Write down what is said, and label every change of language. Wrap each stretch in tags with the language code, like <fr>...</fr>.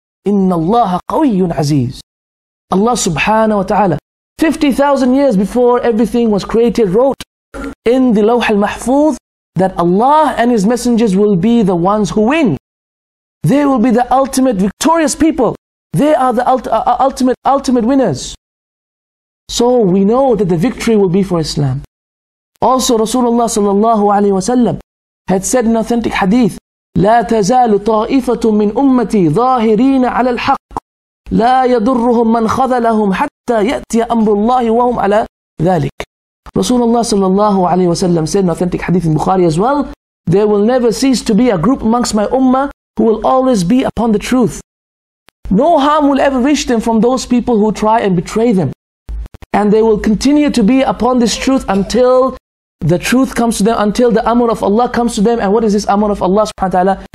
<en>Inna Allaha qawiyyun aziz. Allah subhanahu wa ta'ala, 50,000 years before everything was created, wrote in the Lawh al-Mahfuz that Allah and His messengers will be the ones who win. They will be the ultimate victorious people. They are the ultimate winners. So we know that the victory will be for Islam. Also, Rasulullah sallallahu alayhi wa sallam had said in authentic hadith,</en> <ar>لا تزال طائفة من أمتي ظاهرين على الحق لا يضرهم من خذلهم حتى يأتي أمر الله وهم على ذلك.</ar> <en>Rasulullah sallallahu alayhi wa sallam said in authentic hadith in Bukhari as well, there will never cease to be a group amongst my ummah who will always be upon the truth. No harm will ever reach them from those people who try and betray them. And they will continue to be upon this truth until the truth comes to them, until the amr of Allah comes to them. And what is this amr of Allah subhanahu wa ta'ala?</en>